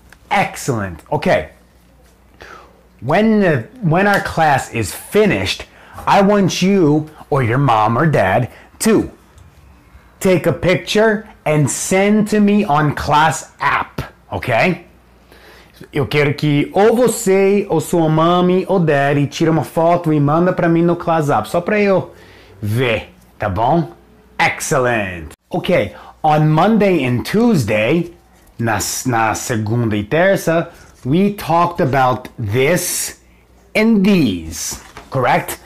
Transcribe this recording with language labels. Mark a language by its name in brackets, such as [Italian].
[English] Excellent. Okay. When our class is finished, I want you or your mom or dad to take a picture and send to me on class app. Okay? [Portuguese] Eu quero que ou você ou sua mami ou daddy tire uma foto e manda para mim no class app. Só para eu ver. Tá bom? [English] Excellent. Okay. On Monday and Tuesday, [Portuguese] na segunda e terça, [English] we talked about this and these, correct?